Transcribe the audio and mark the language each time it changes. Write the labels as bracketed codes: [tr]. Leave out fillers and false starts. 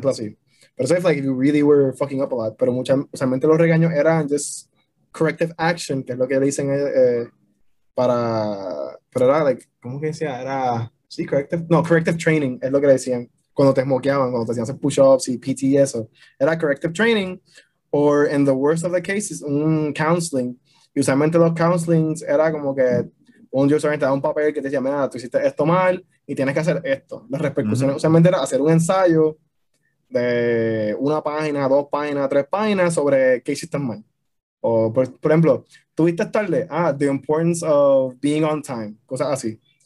[es] Por ejemplo así. Pero eso es [en] like if you really were fucking up a lot, [es] pero usualmente los regaños eran [en] just corrective action, [es] que es lo que le dicen para... Pero era like, ¿cómo que decía? Era... Sí, corrective training es lo que le decían cuando te smokeaban, cuando te hacían push-ups y PT y eso. [en] Era corrective training or in the worst of the cases, counseling. [es] Y usualmente los counselings era como que un yo solamente da un papel que te decía, mira, tú hiciste esto mal y tienes que hacer esto. Las repercusiones usualmente era hacer un ensayo de una página, dos páginas, tres páginas sobre qué hiciste mal. O, por ejemplo, tuviste tarde, [en] the importance of being on time, [es] cosas así.